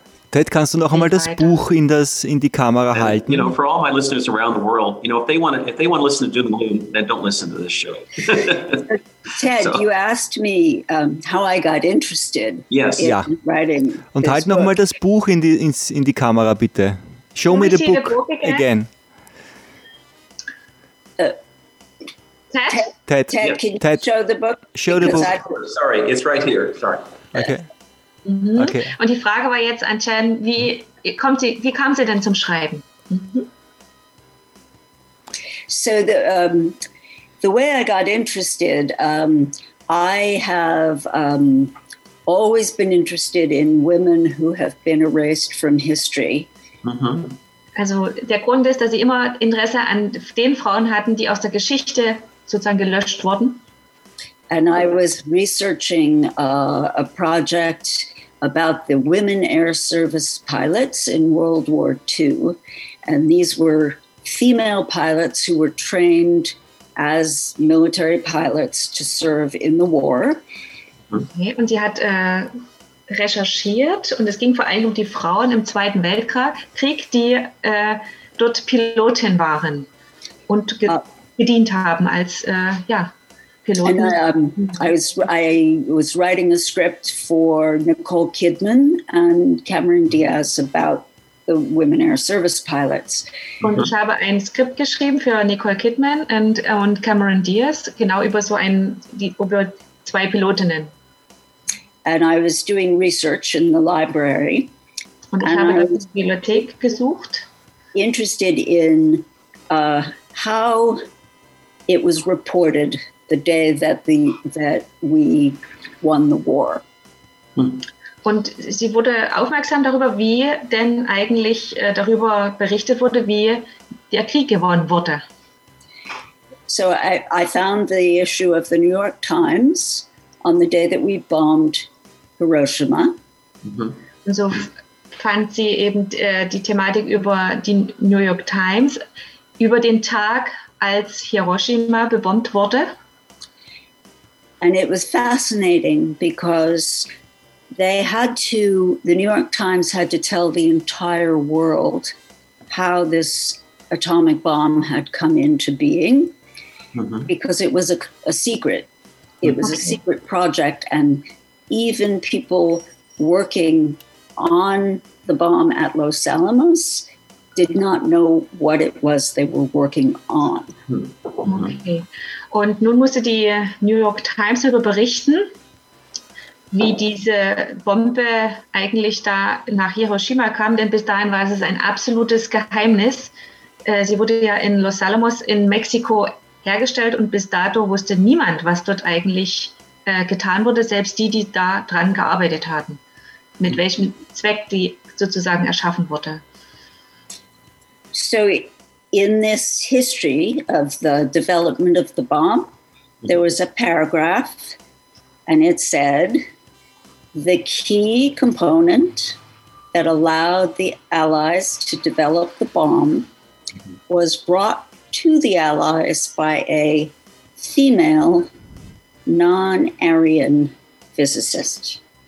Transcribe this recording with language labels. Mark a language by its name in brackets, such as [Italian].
[German] Ted, kannst du noch einmal das Buch in die Kamera halten? [English] You know, for all my listeners around the world, you know, if they want to listen to Doom and Gloom, then don't listen to this show. Ted, so. You asked me how I got interested in writing. [German] Und halt noch mal das Buch in die Kamera, bitte. [English] Show me the book again. Ted? Ted, can you show the book? Show the book. Sorry, it's right here. Sorry. Okay. Mhm. Okay. [German] Und die Frage war jetzt an Jen, wie kam sie denn zum Schreiben? Mhm. [English] So the way I got interested, I have always been interested in women who have been erased from history. Mhm. [German] Also der Grund ist, dass sie immer Interesse an den Frauen hatten, die aus der Geschichte sozusagen gelöscht wurden. [English] And I was researching a project about the women air service pilots in World War II. And these were female pilots who were trained as military pilots to serve in the war. [German] Okay, und sie hat recherchiert und es ging vor allem um die Frauen im Zweiten Weltkrieg, die dort Pilotin waren und gedient haben als, [English] And I was writing a script for Nicole Kidman and Cameron Diaz about the women air service pilots. [German] Und ich habe ein Skript geschrieben für Nicole Kidman und Cameron Diaz, genau über so ein über zwei Pilotinnen. [English] And I was doing research in the library. [German] Und ich habe in der Bibliothek gesucht. [English] Interested in how it was reported the day that we won the war. [German] Und sie wurde aufmerksam darüber, wie denn eigentlich darüber berichtet wurde, wie der Krieg gewonnen wurde. [English] So I found the issue of the New York Times on the day that we bombed Hiroshima. Mm-hmm. [German] Und so fand sie eben die Thematik über die New York Times über den Tag, als Hiroshima bebombt wurde. [English] And it was fascinating because they had to, the New York Times had to tell the entire world how this atomic bomb had come into being, mm-hmm. because it was a secret. It was a secret project. And even people working on the bomb at Los Alamos did not know what it was they were working on. Okay. [German] Und nun musste die New York Times darüber berichten, wie diese Bombe eigentlich da nach Hiroshima kam, denn bis dahin war es ein absolutes Geheimnis. Sie wurde ja in Los Alamos in Mexiko hergestellt und bis dato wusste niemand, was dort eigentlich getan wurde, selbst die, die da dran gearbeitet hatten, mit welchem Zweck die sozusagen erschaffen wurde. [English] So in this history of the development of the bomb, there was a paragraph and it said, the key component that allowed the Allies to develop the bomb was brought to the Allies by a female non-Aryan physicist.